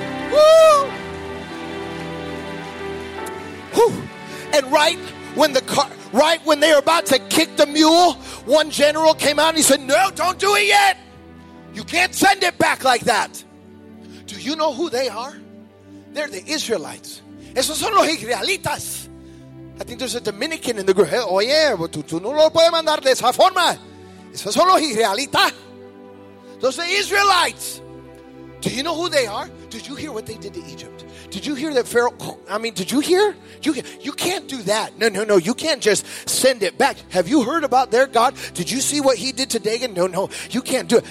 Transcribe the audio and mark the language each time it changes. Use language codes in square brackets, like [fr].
[en] Woo! Whew. And right when they are about to kick the mule, one general came out and he said, "No, don't do it yet. You can't send it back like that." Do you know who they are? They're the Israelites. [es] Esos son los israelitas. [en] I think there's a Dominican in the group. [es] Hey, oye, tú no lo puedes mandar de esa forma. Esos son los israelitas. [en] Those are Israelites. Do you know who they are? Did you hear what they did to Egypt? Did you hear that Pharaoh? I mean, did you hear? You can't do that. No, no, no. You can't just send it back. Have you heard about their God? Did you see what he did to Dagon? No, no. You can't do it.